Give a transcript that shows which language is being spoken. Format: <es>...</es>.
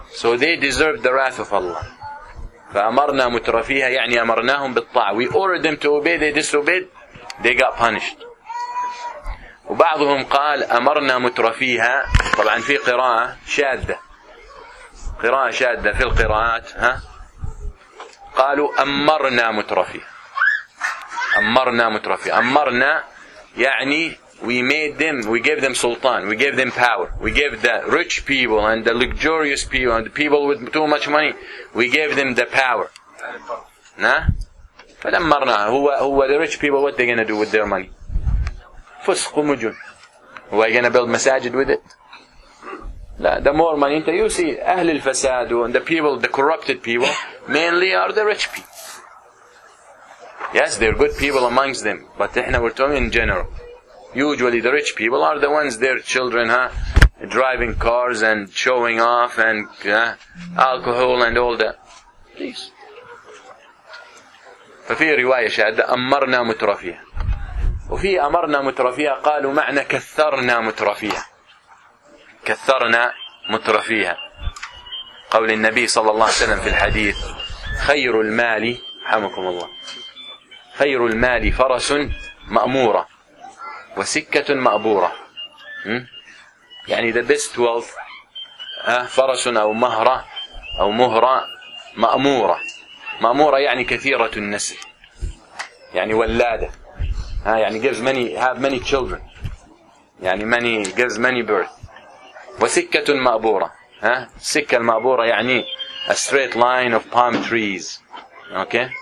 <en>So they deserved the wrath of Allah.</en> <ar>فَأَمَرْنَا مُتْرَفِيهَا يعني أَمَرْنَاهُمْ بِالطَّاعَةِ.</ar> <en>We ordered them to obey, they disobeyed, they got punished.</en> <ar>وبعضهم قال أَمَرْنَا مُتْرَفِيهَا. طبعا في قراءة شاذة. قراءة شاذة في القراءات. قالوا أمرنا مترفي. أمرنا مترفي. أمرنا يعني</ar> <en>we made them, we gave them sultan, we gave them power. We gave the rich people and the luxurious people and the people with too much money, we gave them the power.</en> <ar>فدمرنا.</ar> <en>Who are the rich people, what are they going to do with their money?</en> <ar>فسق ومجون.</ar> <en>Who are going to build masajid with it? لا, the more money, you see,</en> <ar>أهل الفساد</ar> <en>and the people, the corrupted people, mainly are the rich people. Yes, there are good people amongst them, but we're talking in general. Usually the rich people are the ones, their children, driving cars and showing off and alcohol and all that. Please.</en> <ar>ففي رواية شاهدة أمرنا مترفيها. وفي أمرنا مترفيها قالوا معنى كثرنا مترفيها. كثرنا مترفيها. قول النبي صلى الله عليه وسلم في الحديث, خير المال حمكم الله, خير المال فرس مأمورة وسكة مأبورة. يعني</ar> <en>the best wealth,</en> <ar>فرس أو مهرة أو مهرة مأمورة. مأمورة يعني كثيرة النسل, يعني ولادة, يعني</ar> <en>gives many, have many children, يعني many, gives many birth.</en> <ar>وسكة مأبورة. سكة المأبورة يعني</ar> <en>a straight line of palm trees. Okay?</en>